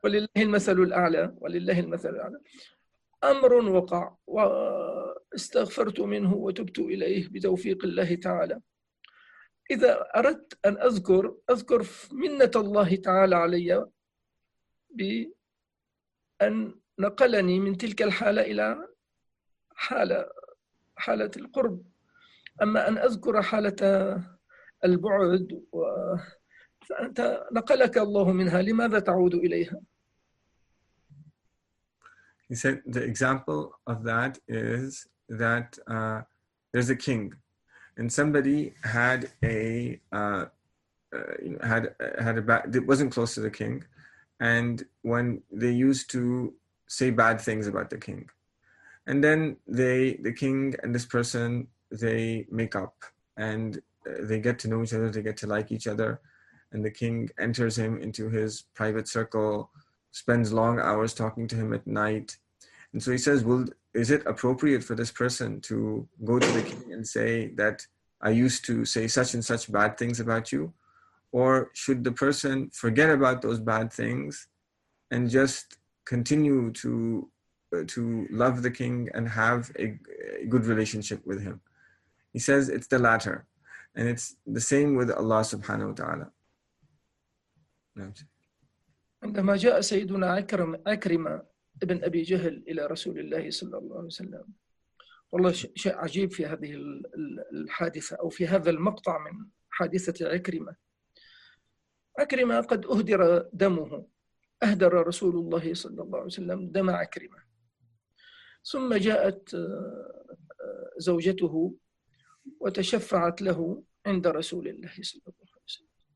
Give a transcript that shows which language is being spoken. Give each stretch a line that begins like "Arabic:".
Arabic: ولله المثل الأعلى ولله المثل الأعلى أمر وقع واستغفرت منه وتبت إليه بتوفيق الله تعالى إذا أردت أن أذكر منة الله تعالى علي بأن نقلني من تلك الحالة إلى حالة القرب أما أن أذكر حالة البعد فأنت نقلك الله منها لماذا تعود إليها؟
English: He said the example of that is that there's a king, and somebody had wasn't close to the king, and when they used to say bad things about the king, and then the king and this person make up and they get to know each other, they get to like each other, and the king enters him into his private circle, spends long hours talking to him at night. And so he says, well, is it appropriate for this person to go to the king and say that I used to say such and such bad things about you? Or should the person forget about those bad things and just continue to love the king and have a good relationship with him? He says it's the latter. And it's the same with Allah subhanahu wa ta'ala.
Arabic: عندما جاء سيدنا أكرم ابن أبي جهل إلى رسول الله صلى الله عليه وسلم والله شيء عجيب في هذه الحادثة أو في هذا المقطع من حادثة أكرمة قد أهدر دمه أهدر رسول الله صلى الله عليه وسلم دم أكرمة ثم جاءت زوجته وتشفعت له عند رسول الله صلى الله عليه وسلم